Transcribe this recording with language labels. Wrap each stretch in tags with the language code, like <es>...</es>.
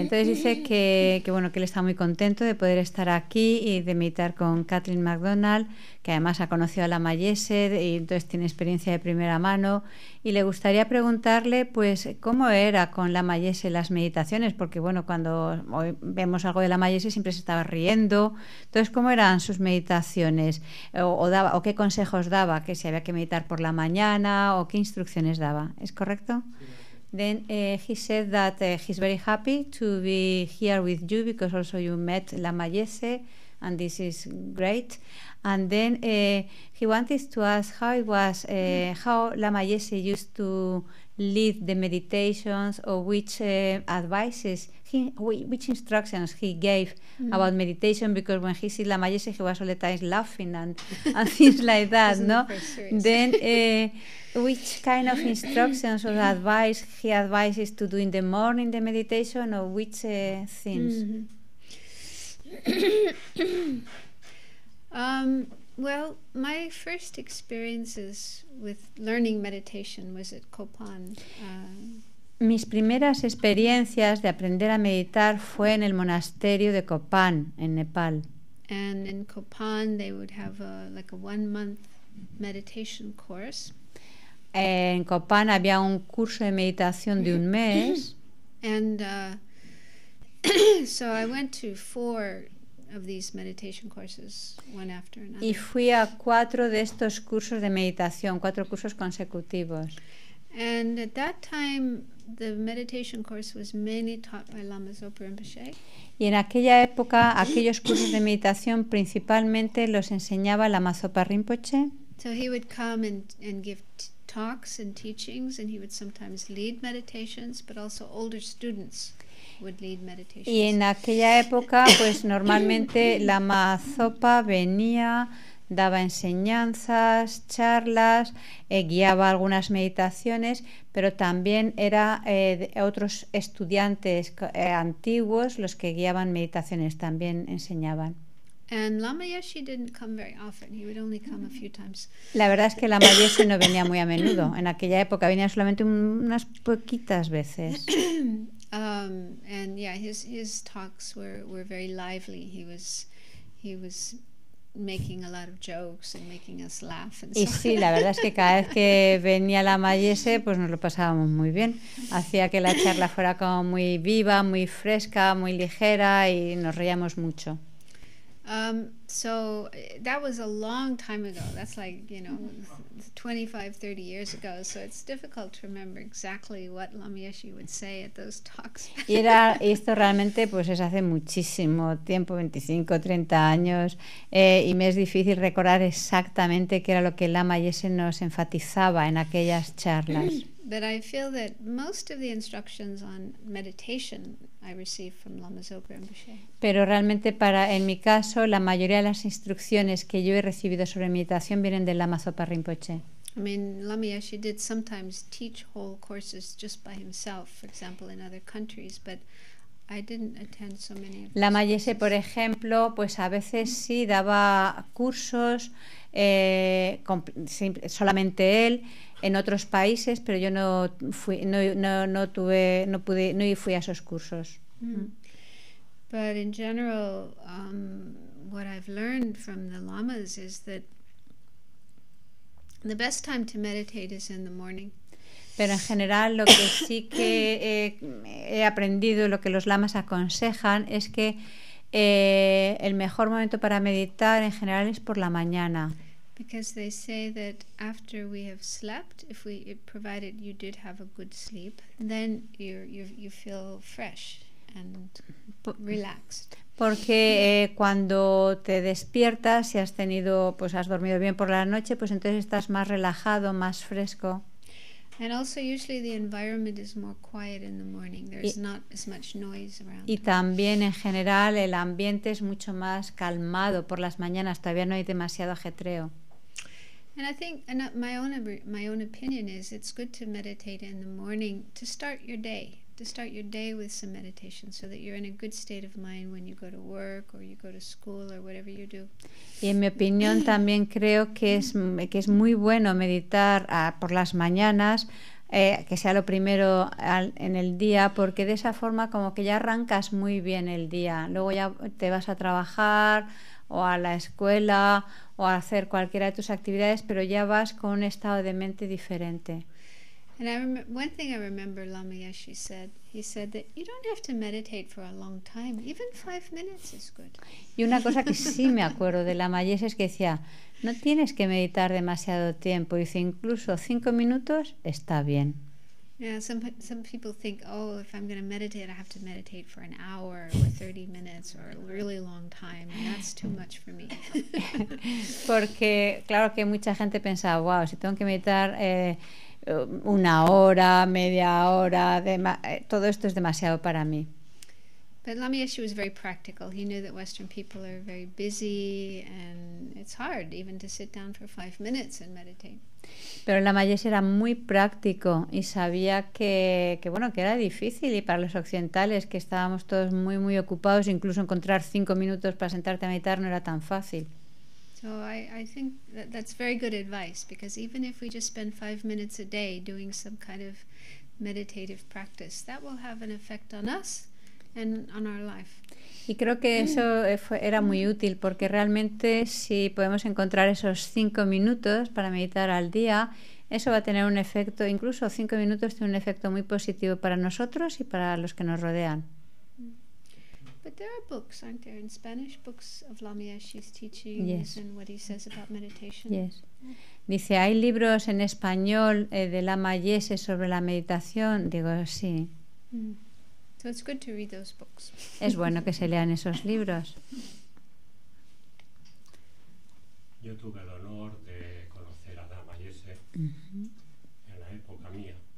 <es>Entonces dice que bueno, que él está muy contento de poder estar aquí y de meditar con Kathleen McDonald, que además ha conocido a la Mayese y entonces tiene experiencia de primera mano, y le gustaría preguntarle pues cómo era con la Mayese las meditaciones, porque bueno, cuando hoy vemos algo de la Mayese siempre se estaba riendo. Entonces, ¿cómo eran sus meditaciones? ¿O qué consejos daba? ¿Que si había que meditar por la mañana o qué instrucciones daba? ¿Es correcto? Sí.</es> <en>Then he said that he's very happy to be here with you because also you met la Mayese and this is great. And then he wanted to ask how it was, how Lama Yese used to lead the meditations, or which advices, which instructions he gave about meditation, because when he sees Lama Yese, he was all the time laughing and things like that, no? Then which kind of instructions or advice he advises to do in the morning, the meditation, or which things? Mm-hmm. Well, my first experiences with learning meditation was at Copan.</en> <es>Mis primeras experiencias de aprender a meditar fue en el monasterio de Copan, en Nepal.</es> <en>And in Copan, they would have a 1 month meditation course.</en> <es>En Copan había un curso de meditación de un mes.</es> <en>And so I went to 4 of these meditation courses one after another.</en> <es>Y fui a 4 de estos cursos de meditación, 4 cursos consecutivos.</es> <en>And at that time the meditation course was mainly taught by Lama Zopa Rinpoche.</en> <es>Y en aquella época aquellos cursos de meditación principalmente los enseñaba Lama Zopa Rinpoche.</es> <en>So he would come and give talks and teachings, and he would sometimes lead meditations, but also older students would lead meditations.</en> <es>Y en aquella época, pues normalmente Lama Zopa venía, daba enseñanzas, charlas, guiaba algunas meditaciones, pero también era otros estudiantes antiguos los que guiaban meditaciones, también enseñaban.</es> <en>And Lama Yeshe didn't come very often. He would only come a few times.</en> <es>La verdad es que Lama Yeshe no venía muy a menudo. En aquella época venía solamente unas poquitas veces.</es> <en>And yeah, his talks were very lively. He was making a lot of jokes and making us laugh. And</en> <es>y</es> <en>so.</en> <es>Sí, la verdad es que cada vez que venía Lama Yeshe, pues nos lo pasábamos muy bien. Hacía que la charla fuera como muy viva, muy fresca, muy ligera, y nos reíamos mucho.</es> <en>So that was a long time ago. That's like, you know, 25, 30 years ago. So it's difficult to remember exactly what Lama Yeshe would say at those talks.</en> <es>Y era, y esto realmente pues es hace muchísimo tiempo, 25, 30 años, y me es difícil recordar exactamente qué era lo que Lama Yeshe nos enfatizaba en aquellas charlas.</es> <en>But I feel that most of the instructions on meditation I received from Lama Zogpa Rinpoche.</en> <es>Pero realmente para, en mi caso, la mayoría de las instrucciones que yo he recibido sobre meditación vienen de Lama Zogpa Rinpoche.</es> <en>I mean, Lama Yeshe did sometimes teach whole courses just by himself, for example, in other countries, but I didn't attend so many of</en> <es>Lama Yeshe, por ejemplo, pues a veces sí daba cursos solamente él en otros países, pero yo no fui a esos cursos.</es> <en>But in general, what I've learned from the lamas is that the best time to meditate is in the morning.</en> <es>Pero en general lo que sí que he aprendido, lo que los lamas aconsejan, es que el mejor momento para meditar en general es por la mañana.</es> <en>Because they say that after we have slept, provided you did have a good sleep, then you feel fresh and relaxed.</en> <es>Porque cuando te despiertas, si has tenido, pues has dormido bien por la noche, pues entonces estás más relajado, más fresco.</es> <en>And also usually the environment is more quiet in the morning. There's not as much noise around.</en> <es>Y también en general el ambiente es mucho más calmado por las mañanas, todavía no hay demasiado ajetreo.</es> <en>And I think my own opinion is it's good to meditate in the morning to start your day. To start your day with some meditation so that you're in a good state of mind when you go to work or you go to school or whatever you do.</en> <es>Y en mi opinión también creo que es muy bueno meditar por las mañanas, que sea lo primero en el día, porque de esa forma como que ya arrancas muy bien el día. Luego ya te vas a trabajar o a la escuela o a hacer cualquiera de tus actividades, pero ya vas con un estado de mente diferente.</es> <en>And one thing I remember Lama Yeshe said, he said that you don't have to meditate for a long time, even 5 minutes is good.</en> <es>Y una cosa que sí me acuerdo de Lama Yeshe es que decía, no tienes que meditar demasiado tiempo, y dice, incluso 5 minutos está bien.</es> <en>Yeah, some people think, oh, if I'm going to meditate, I have to meditate for an hour or 30 minutes or a really long time, and that's too much for me.</en> <es>Porque claro que mucha gente piensa, wow, si tengo que meditar una hora, media hora, todo esto es demasiado para mí.</es> <en>But Lama Yeshe was very practical. He knew that Western people are very busy and it's hard even to sit down for 5 minutes and meditate.</en> <es>Pero Lama Yeshe era muy práctico y sabía que era difícil, y para los occidentales que estábamos todos muy muy ocupados, incluso encontrar 5 minutos para sentarte a meditar no era tan fácil.</es> <en>So I think that's very good advice, because even if we just spend 5 minutes a day doing some kind of meditative practice, that will have an effect on us and on our life.</en> <es>Y creo que eso era muy útil, porque realmente si podemos encontrar esos 5 minutos para meditar al día, eso va a tener un efecto, incluso 5 minutos tiene un efecto muy positivo para nosotros y para los que nos rodean.</es> <en>But there are books, aren't there, in Spanish, books of Lama Yeshe's teachings, yes, and what he says about meditation. Yes.</en> <es>Dice, ¿hay libros en español de Lama Yeshe sobre la meditación? Digo, sí.</es> <en>So it's good to read those books.</en> <es>Es bueno que se lean esos libros. Yo tuve el honor de conocer a Lama Yeshe en la época mía.</es>